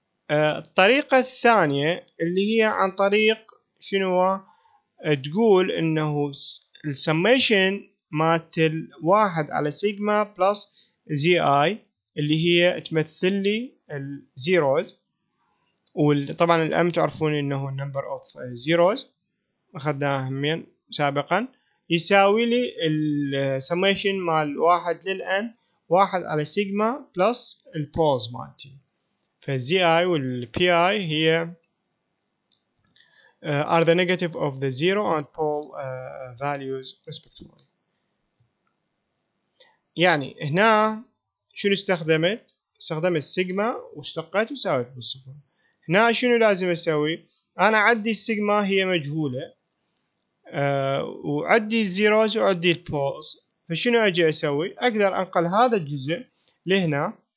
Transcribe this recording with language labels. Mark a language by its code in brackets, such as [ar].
[ar] الطريقة الثانية اللي هي عن طريق شنو تقول انه السميشن مات الواحد على سيجما بلس زي اي اللي هي تمثل لي الزيروز، وطبعا الام تعرفون انه number of zeros اخذناها همين سابقا، يساوي لي السميشن مال واحد للان واحد على سيجما بلس البوز مالتي. فالزي اي والبي اي هي [en] are the negative of the zero and pole values respectively. [ar] يعني هنا شنو استخدمت؟ استخدمت السيجما واشتقت وساويت بالصفر. هنا شنو لازم اسوي؟ انا عدي السيجما هي مجهولة وعدي الزيروز وعدي البولز، فشنو اجي اسوي؟ اقدر انقل هذا الجزء لهنا.